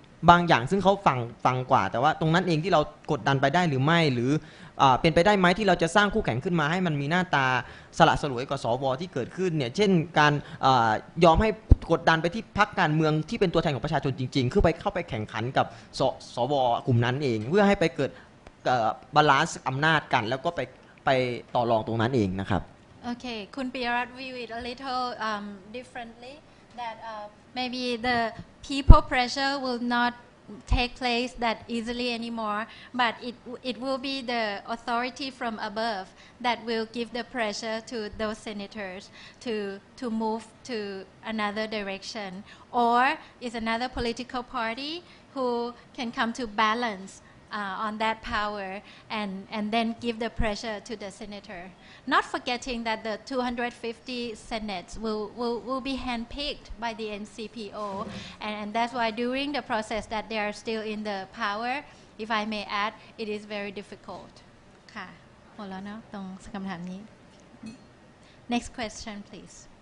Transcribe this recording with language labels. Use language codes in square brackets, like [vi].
[th] บางอย่างซึ่งเขาฟังกว่าแต่ว่าตรงนั้นเองที่เรากดดันไปได้หรือไม่หรือเป็นไปได้ไหมที่เราจะสร้างคู่แข่งขึ้นมาให้มันมีหน้าตาสละสลวยกว่าสวที่เกิดขึ้นเนี่ยเช่นการยอมให้กดดันไปที่พรรคการเมืองที่เป็นตัวแทนของประชาชนจริงๆคือไปเข้าไปแข่งขันกับสวกลุ่มนั้นเองเพื่อให้ไปเกิดบาลานซ์อำนาจกันแล้วก็ไปต่อรองตรงนั้นเองนะครับ [en] โอเคคุณปิยรัตน์ view it a little differently that maybe the people pressure will notTake place that easily anymore, but it will be the authority from above that will give the pressure to those senators to move to another direction, or is another political party who can come to balance on that power and then give the pressure to the senator. Not forgetting that the 250 senates will be handpicked by the NCPO, and that's why during the process that they are still in the power, if I may add, it is very difficult. [th] ค่ะ หมดแล้วเนาะ ตรงคำถามนี้ [en] Next question, please.